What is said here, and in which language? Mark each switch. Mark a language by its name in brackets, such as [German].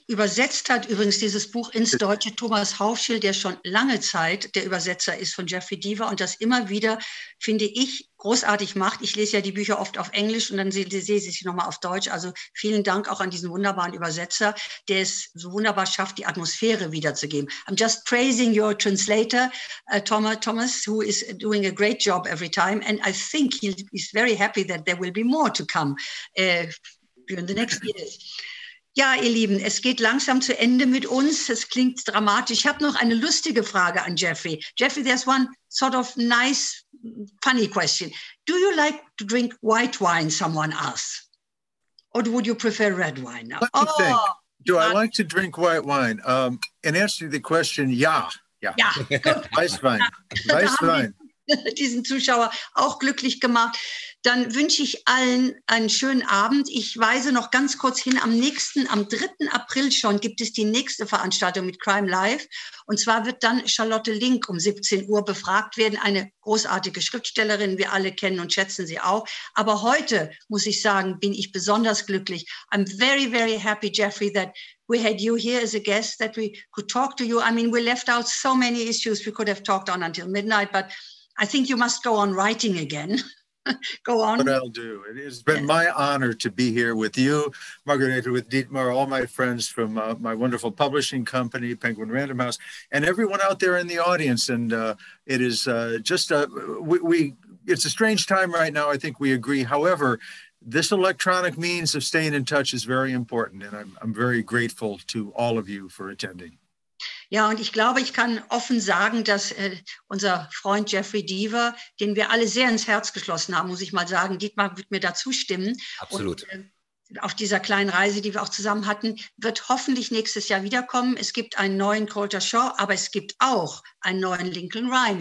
[German] Übersetzt hat übrigens dieses Buch ins Deutsche Thomas Haufschild, der schon lange Zeit der Übersetzer ist von Jeffery Deaver und das immer wieder, finde ich, großartig macht. Ich lese ja die Bücher oft auf Englisch und dann sehe ich sie nochmal auf Deutsch. Also vielen Dank auch an diesen wunderbaren Übersetzer, der es so wunderbar schafft, die Atmosphäre wiederzugeben. [English] I'm just praising your translator, Thomas, who is doing a great job every time. And I think he is very happy that there will be more to come during the next years. [German] Ja, ihr Lieben, es geht langsam zu Ende mit uns. Es klingt dramatisch. Ich habe noch eine lustige Frage an Jeffery. [English] Jeffery, there's one sort of nice, funny question. Do you like to drink white wine, someone asks? Or would you prefer red wine? What do you think? Do I like to drink white wine? In answer to the question, [German] ja. Weißwein. Weißwein. Diesen Zuschauer auch glücklich gemacht. Dann wünsche ich allen einen schönen Abend. Ich weise noch ganz kurz hin, am 3. April schon gibt es die nächste Veranstaltung mit Crime Live. Und zwar wird dann Charlotte Link um 17 Uhr befragt werden. Eine großartige Schriftstellerin, wir alle kennen und schätzen sie auch. Aber heute, muss ich sagen, bin ich besonders glücklich. [English] I'm very, very happy, Jeffery, that we had you here as a guest, that we could talk to you. I mean, we left out so many issues we could have talked on until midnight, but I think you must go on writing again. Go on. But I'll do. It has been my honor to be here with you, Margarete, with Dietmar, all my friends from my wonderful publishing company, Penguin Random House, and everyone out there in the audience. And it is it's a strange time right now. I think we agree. However, this electronic means of staying in touch is very important. And I'm very grateful to all of you for attending. [German] Ja, und ich glaube, ich kann offen sagen, dass unser Freund Jeffery Deaver, den wir alle sehr ins Herz geschlossen haben, muss ich mal sagen, Dietmar wird mir da zustimmen. Absolut. Und, auf dieser kleinen Reise, die wir auch zusammen hatten, wird hoffentlich nächstes Jahr wiederkommen. Es gibt einen neuen Colter Shaw, aber es gibt auch einen neuen Lincoln Rhyme.